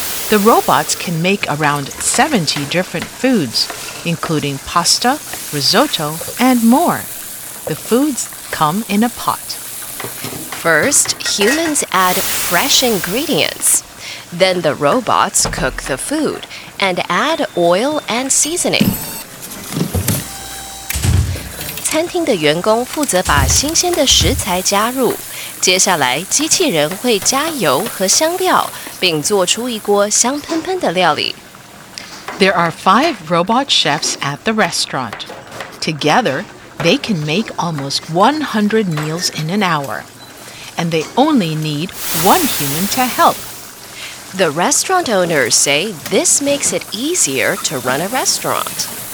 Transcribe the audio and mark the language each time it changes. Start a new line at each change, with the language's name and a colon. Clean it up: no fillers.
English: The robots can make around 70 different foods, including pasta, risotto, and more. The foods come in a pot. First, humans add fresh ingredients. Then the robots cook the food and add oil and seasoning.
Chinese: 餐廳的員工負責把新鮮的食材加入。接下來機器人會加油和香料並做出一鍋香噴噴的料理。
English: There are five robot chefs at the restaurant. Together, they can make almost 100 meals in an hour. And they only need one human to help. The restaurant owners say this makes it easier to run a restaurant.